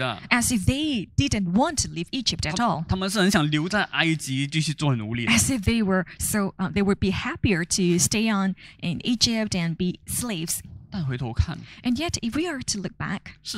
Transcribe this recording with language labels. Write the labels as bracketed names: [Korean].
[English] as if they didn't want to leave Egypt at all. [Chinese] 他们是很想留在埃及继续做奴隶。 [English] As if they were so, they would be happier to stay on in Egypt and be slaves. [Chinese] 但回头看, [English] and yet, if we are to look back,